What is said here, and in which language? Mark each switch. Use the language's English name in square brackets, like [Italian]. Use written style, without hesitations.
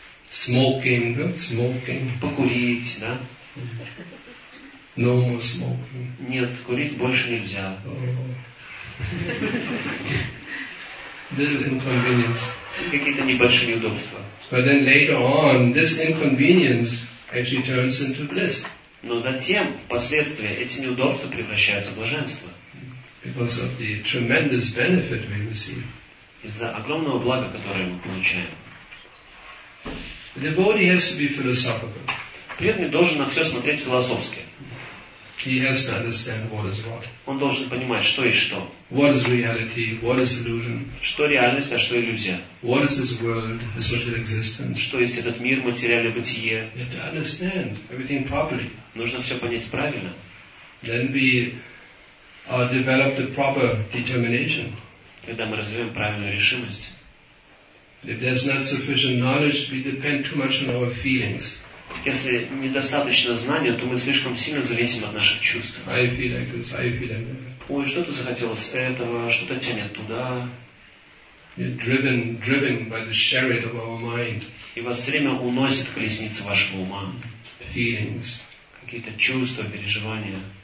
[English] Smoking, smoking. [Russian] Покурить, да? [English] No more smoking. [Russian] Нет, курить больше нельзя. [English] Little inconvenience. [Russian] Какие-то небольшие неудобства. [English] But then later on, this inconvenience actually turns into bliss. [Russian] Но затем, впоследствии, эти неудобства превращаются в блаженство. [English] Because of the tremendous benefit we receive. [Russian] Из-за огромного блага, которое мы получаем. [English] The devotee has to be philosophical. [Russian] Преданный должен на все смотреть философски. [English] He has to understand what is what. [Russian] Он должен понимать, что есть что. [English] What is reality? What is illusion? [Russian] Что реальность, а что иллюзия? [English] What is this world? This material existence? [Russian] Что есть этот мир, материальное бытие? [English] You have to understand everything properly. [Russian] Нужно все понять правильно. [English] Then we develop the proper determination. [Russian] Тогда мы развиваем правильную решимость. [English] If there's not sufficient knowledge, we depend too much on our feelings. [Russian] Если недостаточно знания, то мы слишком сильно зависим от наших чувств. [English] I feel like this, I feel like that. [Russian] Ой, что-то захотелось этого, что-то тянет туда. [English] You're driven by the chariot of our mind. [Russian] И вас время уносит колесница вашего ума. [English] Feelings. [Russian] Какие-то чувства, переживания.